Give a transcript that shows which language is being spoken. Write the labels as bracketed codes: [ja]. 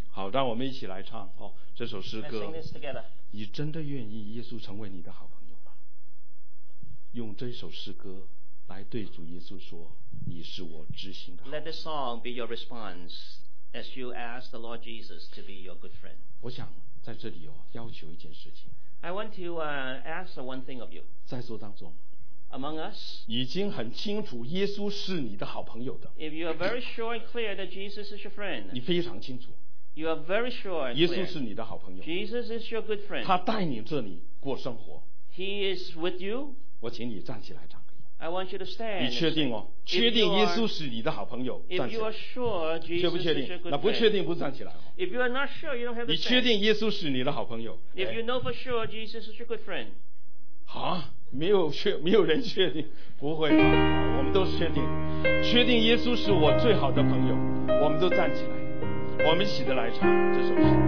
[zh] 让我们一起来唱、这首诗歌你真的愿意耶稣成为你的好朋友吗用这首诗歌来对主耶稣说你是我知心的好朋友 [en] Let this song be your response as you ask the Lord Jesus to be your good friend [zh] 我想在这里、要求一件事情 [en] I want to ask one thing of you [zh] 在座当中 [en] Among us [zh] 已经很清楚耶稣是你的好朋友的 [en] If you are very sure and clear that Jesus is your friend [zh] 你非常清楚 [en] You are very sure and clear. [zh] 耶稣是你的好朋友。 [en] Jesus is your good friend. [zh] 他带领着你过生活。 [en] He is with you. [zh] 我请你站起来唱歌。 [en] I want you to stand. [zh] 你确定哦？确定耶稣是你的好朋友？站起来。 [en] If you are sure, Jesus is your good friend. [zh] 确不确定？那不确定不站起来哦。 [en] If you are not sure, you don't have to stand. [zh] 你确定耶稣是你的好朋友 [en] ？If you know for sure, Jesus is your good friend. [zh] 啊，没有人确定，不会吧？我们都是确定，确定耶稣是我最好的朋友，我们都站起来。我们一起的来唱这首诗歌